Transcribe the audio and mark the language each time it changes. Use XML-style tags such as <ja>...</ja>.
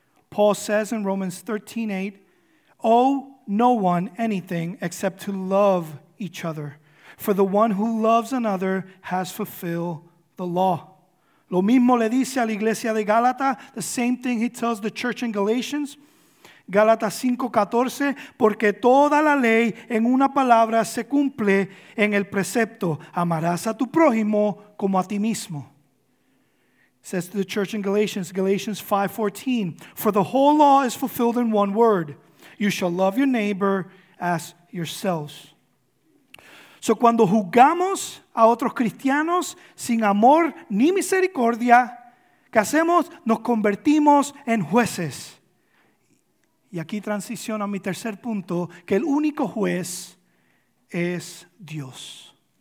<en>Paul says in Romans 13:8, owe no one anything except to love each other. For the one who loves another has fulfilled the law.</en> <es>Lo mismo le dice a la iglesia de Gálatas,</es> <en>the same thing he tells the church in Galatians.</en> <es>Gálatas 5:14, porque toda la ley en una palabra se cumple en el precepto, amarás a tu prójimo como a ti mismo.</es> <en>Says to the church in Galatians, Galatians 5:14, for the whole law is fulfilled in one word, you shall love your neighbor as yourselves.</en> <es>So cuando juzgamos a otros cristianos sin amor ni misericordia, ¿qué hacemos? Nos convertimos en jueces. Y aquí transiciono a mi tercer punto, que el único juez es Dios.</es>